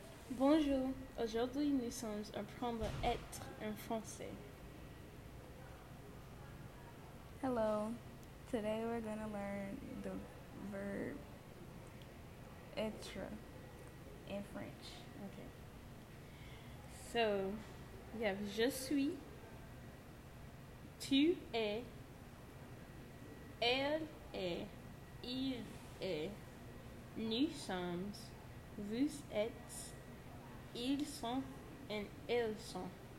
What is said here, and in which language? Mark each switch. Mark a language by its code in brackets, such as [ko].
[fr] Bonjour, aujourd'hui nous sommes apprendre être en français. [en] Hello, today we're going to learn the verb être in French. Okay. So, we have [fr] je suis, tu es, elle est, il est, nous sommes, vous êtes, ils sont and elles sont.